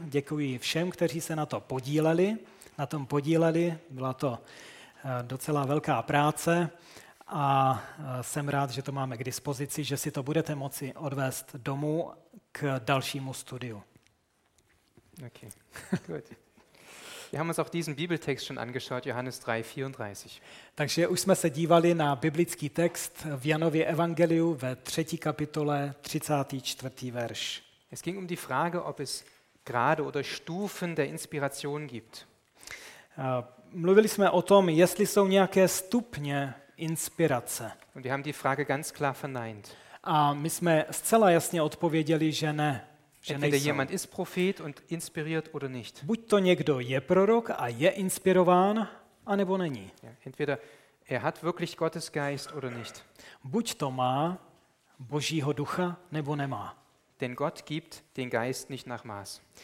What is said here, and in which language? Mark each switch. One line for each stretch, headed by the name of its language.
Czech: Děkuji všem, kteří se na to podíleli. Na tom podíleli, byla to docela velká práce a jsem rád, že to máme k dispozici, že si to budete moci odvést domů k dalšímu studiu.
German: Okay. Gut. Wir haben uns auch diesen Bibeltext schon angeschaut, Johannes 3:34.
Czech: Takže už jsme se dívali na biblický text v Janově evangeliu ve 3. kapitole 34. verš.
German: Es ging um die Frage, ob es Grade oder Stufen der Inspiration gibt.
Czech: Mluvili jsme o tom, jestli jsou nějaké stupně inspirace.
German: Und wir haben die Frage ganz klar verneint.
Czech: A my jsme zcela jasně odpověděli, že ne.
German: Entweder jemand ist Prophet und inspiriert oder nicht.
Czech: Buď to někdo je prorok a je inspirován, anebo není.
German: Entweder er hat wirklich Gottes Geist oder nicht.
Czech: Buď to má Božího ducha, nebo nemá.
German: Denn Gott gibt den Geist nicht nach Maß.